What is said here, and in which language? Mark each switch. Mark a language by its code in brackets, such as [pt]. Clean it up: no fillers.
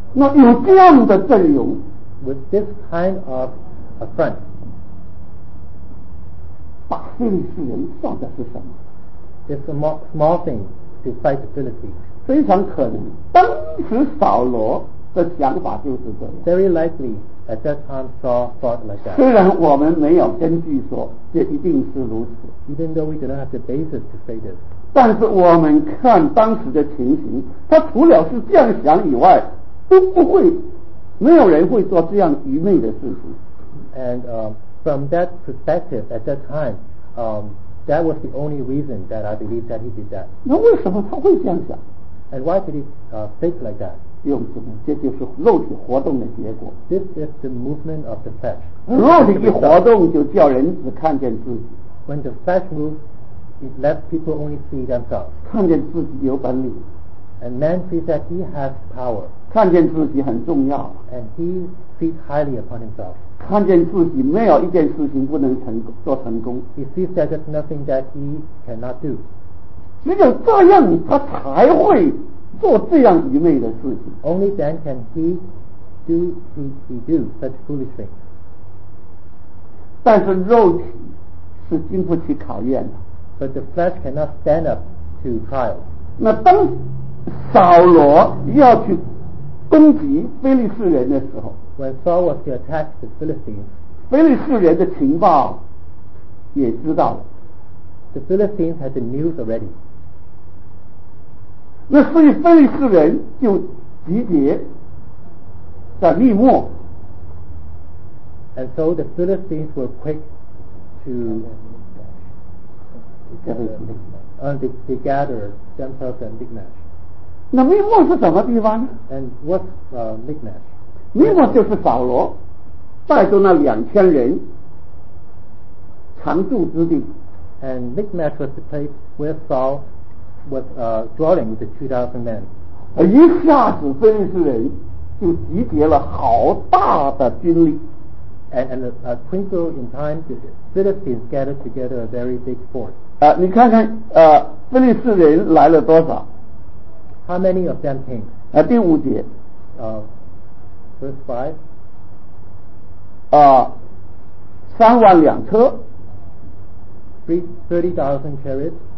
[zh] 那有这样的阵容 [en] with this kind of a front, [zh] 把非利士人算的是什么？ [en] It's a small thing to fight the Philistines. [zh] 非常可能，当时扫罗的想法就是这样。 [en] Very likely at that time Saul thought like that. [zh] 虽然我们没有根据说这一定是如此， [en] even though we didn't have the basis to say this. [zh] 但是我们看当时的情形，他除了是这样想以外，都不会，没有人会做这样愚昧的事情。 [en] And from that perspective, at that time, that was the only reason that I believe that he did that. [zh] 那为什么他会这样想 [en] ？And why did he think like that? [zh] 用什么？这就是肉体活动的结果。 [en] This is the movement of the flesh. [zh] 肉体一活动，就叫人只看见自己。 [en] When the flesh moves. It lets people only see themselves. [zh] 看见自己有本领 [en] And man sees that he has power. [zh] 看见自己很重要 [en] And he sees highly upon himself. [zh] 看见自己没有一件事情不能成功做成功 [en] He sees that there's nothing that he cannot do. [zh] 只有这样他才会做这样愚昧的事情 [en] Only then can he do, he do such foolish things. [zh] 但是肉体是经不起考验的 [en] But the flesh cannot stand up to trials. [zh] 那当扫罗要去攻击非利士人的时候 [en] ，When Saul was to attack the Philistines, [zh] 非利士人的情报也知道了。 [en] The Philistines had the news already. [zh] 那所以非利士人就集结在利莫。 [en] And so the Philistines were quick to. They gather themselves at Michmash. [zh] 那密莫是什么地方呢 [en] ？And what's Michmash? [zh] 密莫就是扫罗带着那两千人常驻之地。 [en] And Michmash was the place where Saul was dwelling with the 2,000 men. [zh] 一下子非利士人就集结了好大的军力。 [en] And a twinkle in time, the Philistines gathered together a very big force. [zh] 你看看非利士人来了多少 [en] How many of them came? [zh] 第五节 [en] verse 5 [zh] 三万两车 [en] 30,000 chariots